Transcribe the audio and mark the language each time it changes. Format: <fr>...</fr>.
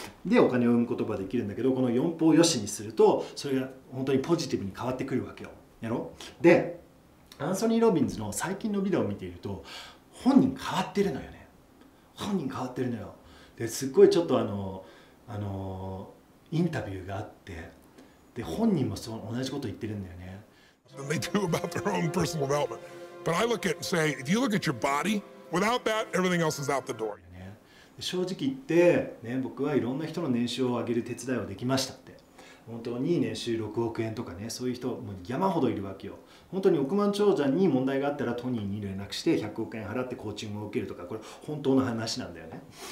<ja>でお金を生むことができるんだけど、この四方よしにするとそれが本当にポジティブに変わってくるわけよ、やろ。でアンソニー・ロビンズの最近のビデオを見ていると本人変わってるのよね、本人変わってるのよ。ですっごいちょっとインタビューがあって、で本人もそう同じこと言ってるんだよね。</ja> <en>They do about their own personal development. But I look at and say, if you look at your body, without that, everything else is out the door.</en> <ja>正直言って、ね、僕はいろんな人の年収を上げる手伝いをできましたって。本当に年収6億円とかね、そういう人もう山ほどいるわけよ。本当に億万長者に問題があったらトニーに連絡して100億円払ってコーチングを受けるとか、これ本当の話なんだよね。</ja>